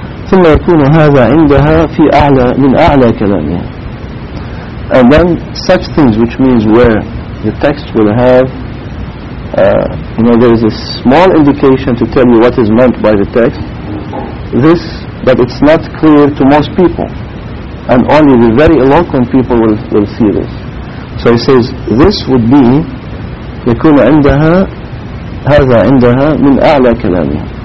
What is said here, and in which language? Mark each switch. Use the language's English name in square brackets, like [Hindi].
[Arabic] ثم يكون هذا عندها في أعلى من أعلى كلامها. [English] And then such things, which means where the text will have there is a small indication to tell you what is meant by the text. This, but it's not clear to most people, and only the very eloquent people will see this. So he says, this would be [Arabic] يكون عندها هذا عندها من أعلى كلامها.